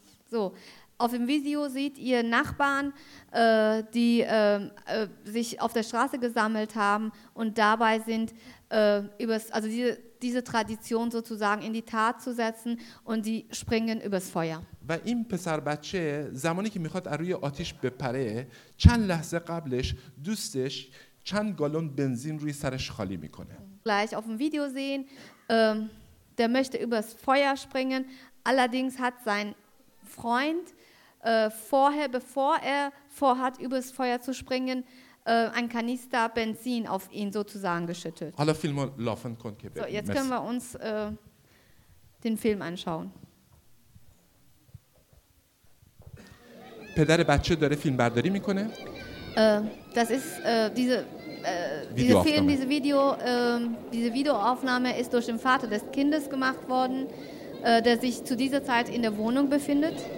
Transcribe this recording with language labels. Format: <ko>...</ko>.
<de>So, auf dem Video seht ihr Nachbarn, die sich auf der Straße gesammelt haben und dabei sind, also diese Tradition sozusagen in die Tat zu setzen und die springen übers Feuer.</de> <fa>و این پسر بچه زمانی که میخواد روی آتش بپره چند لحظه قبلش دوستش چند گالون بنزین روی سرش خالی میکنه.</fa> <de>Gleich auf dem Video sehen, der möchte übers Feuer springen. Allerdings hat sein Freund vorher, bevor er vorhat übers Feuer zu springen, ein Kanister Benzin auf ihn sozusagen geschüttet. Alle Filme laufen können. So, jetzt können wir uns den Film anschauen.</de> <fa>پدر بچه داره فیلم برداری میکنه.</fa> <de>Das ist diese Videoaufnahme ist durch den Vater des Kindes gemacht worden, der sich zu dieser Zeit in der Wohnung befindet.</de>